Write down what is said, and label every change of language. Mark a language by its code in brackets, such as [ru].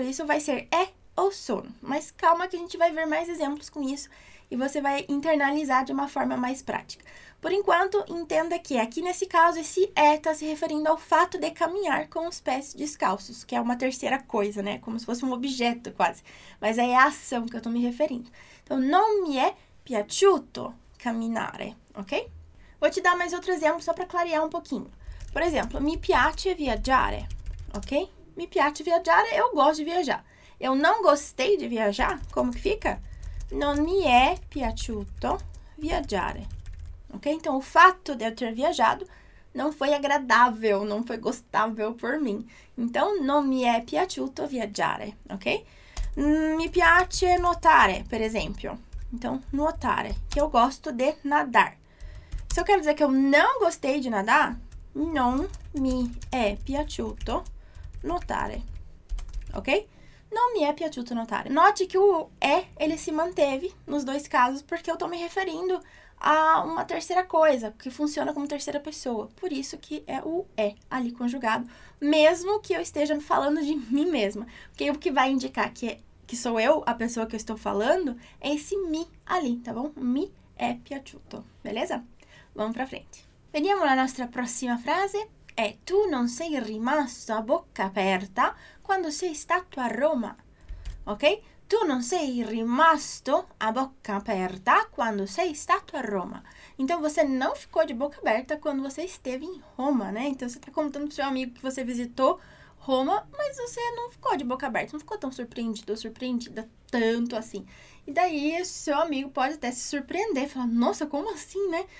[pt] Por isso vai ser é ou sono. Mas calma que a gente vai ver mais exemplos com isso e você vai internalizar de uma forma mais prática. Por enquanto, entenda que aqui nesse caso, esse é está se referindo ao fato de caminhar com os pés descalços, que é uma terceira coisa, né? Como se fosse um objeto quase. Mas é a ação que eu estou me referindo. [it] Então, non mi è piaciuto camminare, ok? [pt] Vou te dar mais outro exemplo só para clarear um pouquinho. Por exemplo, [it] mi piace viaggiare, ok? Mi piace viaggiare, [pt] eu gosto de viajar. Eu não gostei de viajar, como que fica? [it] Non mi è piaciuto viaggiare. Ok? [pt] Então, o fato de eu ter viajado não foi agradável, não foi gostável por mim. [it] Então, non mi è piaciuto viaggiare. Ok? Mi piace nuotare, per esempio. [pt] Então, nuotare, que eu gosto de nadar. Se eu quero dizer que eu não gostei de nadar, [it] non mi è piaciuto nuotare. Ok? Non mi è piaciuto nuotare. Note che [pt] o è, ele si manteve nos dois casos, perché eu tô me referindo a uma terceira coisa, que funciona como terceira pessoa. Por isso que é o é ali conjugado, mesmo que eu esteja falando de mim mesma. Porque o que vai indicar que sou eu, a pessoa que eu estou falando, é esse mi ali, tá bom? [it] Mi è piaciuto, [pt] beleza? Vamos pra frente. [it] Vediamo la nostra prossima frase. E tu non sei rimasto a bocca aperta quando sei stato a Roma. Ok? Tu non sei rimasto a bocca aperta quando sei stato a Roma. [pt] Então você não ficou de boca aberta quando você esteve em Roma, né? Então você está contando para o seu amigo que você visitou Roma, mas você não ficou de boca aberta, não ficou tão surpreendido ou surpreendida tanto assim. E daí, seu amigo pode até se surpreender, falar: Nossa, como assim, né?